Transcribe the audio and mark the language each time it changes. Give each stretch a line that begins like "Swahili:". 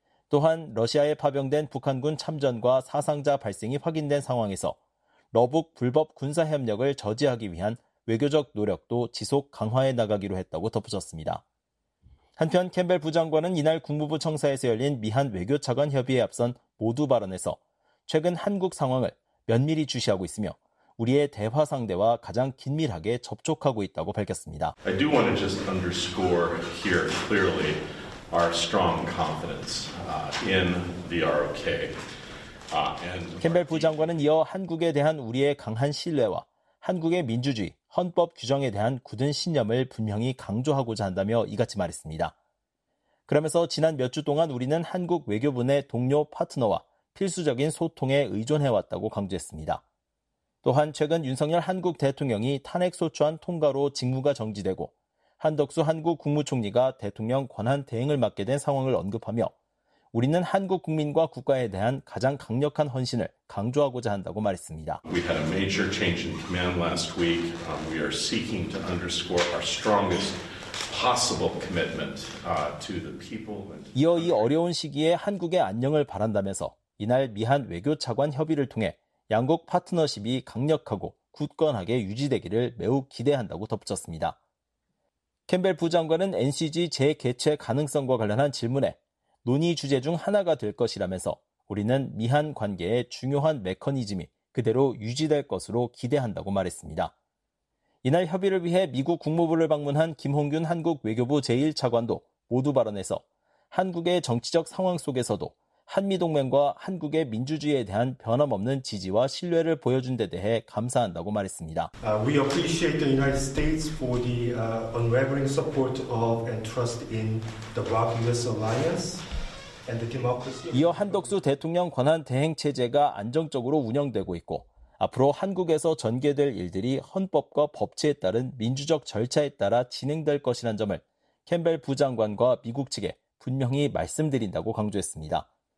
Korean: 또한 러시아에 파병된 북한군 참전과 사상자 발생이 확인된 상황에서 러북 불법 군사협력을 저지하기 위한 외교적 노력도 지속 강화해 나가기로 했다고 덧붙였습니다. 한편 캠벨 부장관은 이날 국무부 청사에서 열린 미한 외교차관 협의에 앞선 모두 발언에서 최근 한국 상황을 면밀히 주시하고 있으며 우리의 대화 상대와 가장 긴밀하게 접촉하고 있다고 밝혔습니다.
English: I do want to just underscore here clearly our strong confidence in the ROK and
Korean: 캠벨 부장관은 이어 한국에 대한 우리의 강한 신뢰와 한국의 민주주의, 헌법 규정에 대한 굳은 신념을 분명히 강조하고자 한다며 이같이 말했습니다. 그러면서 지난 몇 주 동안 우리는 한국 외교부 내 동료 파트너와 필수적인 소통에 의존해왔다고 강조했습니다. 또한 최근 윤석열 한국 대통령이 탄핵소추안 통과로 직무가 정지되고 한덕수 한국 국무총리가 대통령 권한 대행을 맡게 된 상황을 언급하며 우리는 한국 국민과 국가에 대한 가장 강력한 헌신을 강조하고자 한다고 말했습니다.
English: We had a major change in command last week. We are seeking to underscore our strongest possible commitment to the people.
Korean: 이어 이 어려운 시기에 한국의 안녕을 바란다면서 이날 미한 외교차관 협의를 통해 양국 파트너십이 강력하고 굳건하게 유지되기를 매우 기대한다고 덧붙였습니다. 캠벨 부장관은 NCG 재개최 가능성과 관련한 질문에 논의 주제 중 하나가 될 것이라면서 우리는 미한 관계의 중요한 메커니즘이 그대로 유지될 것으로 기대한다고 말했습니다. 이날 협의를 위해 미국 국무부를 방문한 김홍균 한국 외교부 제1차관도 모두 발언해서 한국의 정치적 상황 속에서도 한미동맹과 한국의 민주주의에 대한 변함없는 지지와 신뢰를 보여준 데 대해 감사한다고 말했습니다.
English: We appreciate the United States for the unwavering support of and trust in the Black-US Alliance and the democracy.
Korean: 이어 한덕수 대통령 권한 대행 체제가 안정적으로 운영되고 있고 앞으로 한국에서 전개될 일들이 헌법과 법치에 따른 민주적 절차에 따라 진행될 것이란 점을 캠벨 부장관과 미국 측에 분명히 말씀드린다고 강조했습니다.